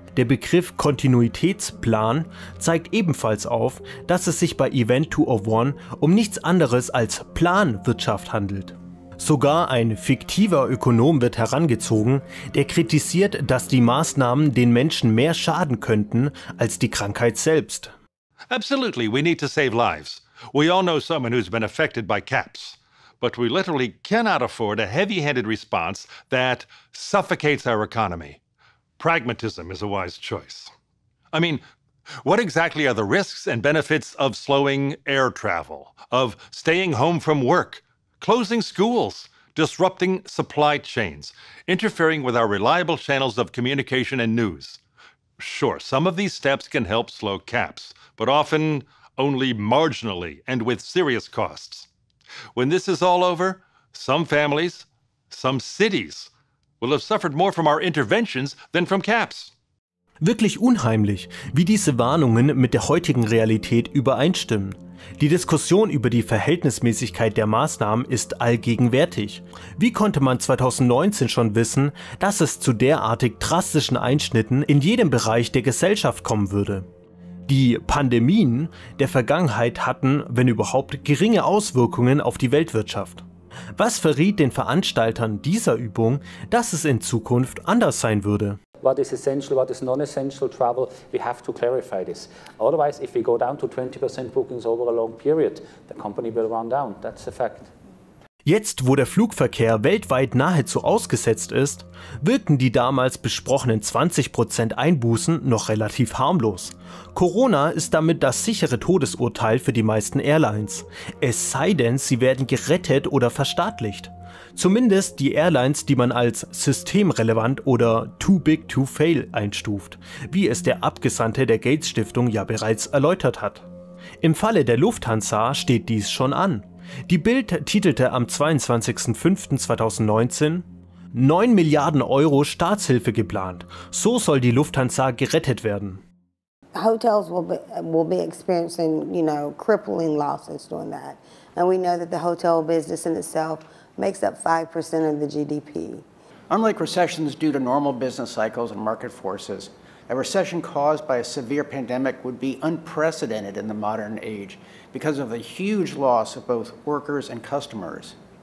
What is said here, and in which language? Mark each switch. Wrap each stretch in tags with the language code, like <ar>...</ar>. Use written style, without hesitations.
<de>Der Begriff Kontinuitätsplan zeigt ebenfalls auf, dass es sich bei EVENT201 um nichts anderes als Planwirtschaft handelt. Sogar ein fiktiver Ökonom wird herangezogen, der kritisiert, dass die Maßnahmen den Menschen mehr schaden könnten als die Krankheit selbst.</de> <en>Absolutely, we need to save lives. We all know someone who's been affected by caps. But we literally cannot afford a heavy-handed response that suffocates our economy. Pragmatism is a wise choice. I mean, what exactly are the risks and benefits of slowing air travel, of staying home from work, closing schools, disrupting supply chains, interfering with our reliable channels of communication and news? Sure, some of these steps can help slow caps, but often only marginally and with serious costs. When this is all over, some families, some cities, will have suffered more from our interventions than from caps.</en> <de>Wirklich unheimlich, wie diese Warnungen mit der heutigen Realität übereinstimmen. Die Diskussion über die Verhältnismäßigkeit der Maßnahmen ist allgegenwärtig. Wie konnte man 2019 schon wissen, dass es zu derartig drastischen Einschnitten in jedem Bereich der Gesellschaft kommen würde? Die Pandemien der Vergangenheit hatten, wenn überhaupt, geringe Auswirkungen auf die Weltwirtschaft. Was verriet den Veranstaltern dieser Übung, dass es in Zukunft anders sein würde?</de> <en>What is essential, what is non-essential travel, we have to clarify this. Otherwise, if we go down to 20% bookings over a long period, the company will run down. That's a fact.</en> <de>Jetzt, wo der Flugverkehr weltweit nahezu ausgesetzt ist, wirken die damals besprochenen 20% Einbußen noch relativ harmlos. Corona ist damit das sichere Todesurteil für die meisten Airlines. Es sei denn, sie werden gerettet oder verstaatlicht. Zumindest die Airlines, die man als systemrelevant oder</de> <en>too big to fail</en> <de>einstuft, wie es der Abgesandte der Gates-Stiftung ja bereits erläutert hat. Im Falle der Lufthansa steht dies schon an. Die Bild titelte am 22.05.2019 9 Milliarden Euro Staatshilfe geplant. So soll die Lufthansa gerettet werden.</de> <en>Hotels will be experiencing, you know, crippling losses during that. And we know that the hotel business in itself makes up 5% of the GDP. Unlike recessions due to normal business cycles and market forces, a recession caused by a severe pandemic would be unprecedented in the modern age because of the huge loss of both workers and customers.</en>